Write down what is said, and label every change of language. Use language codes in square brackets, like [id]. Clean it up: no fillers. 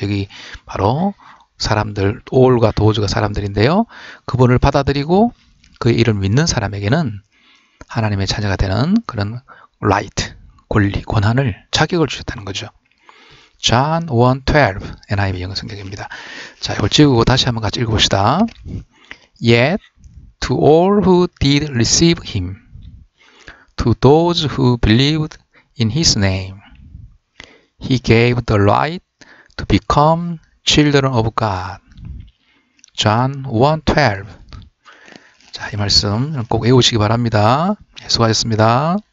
[ko] 여기 바로 사람들, all과 도우즈가 사람들인데요. 그분을 받아들이고 그 이름을 믿는 사람에게는 하나님의 자녀가 되는 그런 right, 권리, 권한을, 자격을 주셨다는 거죠. John 1:12 NIV 영어성경입니다. 자, 이걸 지우고 다시 한번 같이 읽어봅시다. [en] Yet to all who did receive him, to those who believed in his name, He gave the right to become children of God. [ko] John 1:12. 자, 이 말씀 꼭 외우시기 바랍니다. 수고하셨습니다.